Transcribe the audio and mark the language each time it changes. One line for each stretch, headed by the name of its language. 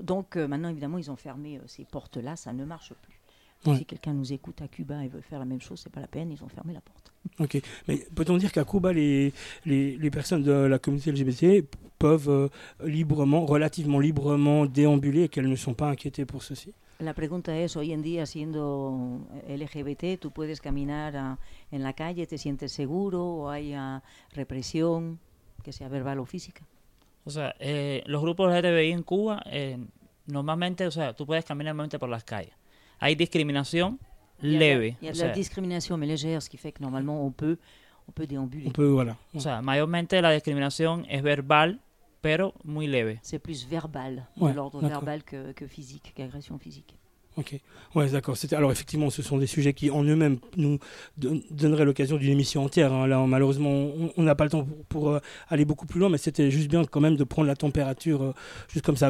French: Donc maintenant, évidemment, ils ont fermé ces portes-là. Ça ne marche plus. Ouais. Si quelqu'un nous écoute à Cuba et veut faire la même chose, ce n'est pas la peine. Ils ont fermé la porte. Ok. Mais peut-on dire qu'à Cuba, les personnes de la communauté LGBT peuvent librement, relativement librement déambuler et qu'elles ne sont pas inquiétées pour ceci?
Spanish: La pregunta es, hoy en día, siendo LGBT, ¿tú puedes caminar en la calle? ¿Te sientes seguro? ¿O hay represión, que sea verbal o física? O sea, los grupos LGBTI en Cuba, normalmente, o sea, tú puedes caminar normalmente por las calles. Hay discriminación leve. Y la discriminación
French: légère, ce qui fait que
Spanish: normalmente
French: on peut déambuler. On peut, voilà.
Spanish: O sea, mayormente la discriminación es verbal. Pero muy leve.
French: C'est plus verbal, ouais, de l'ordre d'accord. Verbal que physique, qu'agression physique. Ok, ouais, d'accord. Alors effectivement, ce sont des sujets qui en eux-mêmes nous donneraient l'occasion d'une émission entière. Hein. Là, malheureusement, on n'a pas le temps pour aller beaucoup plus loin, mais c'était juste bien quand même de prendre la température juste comme ça.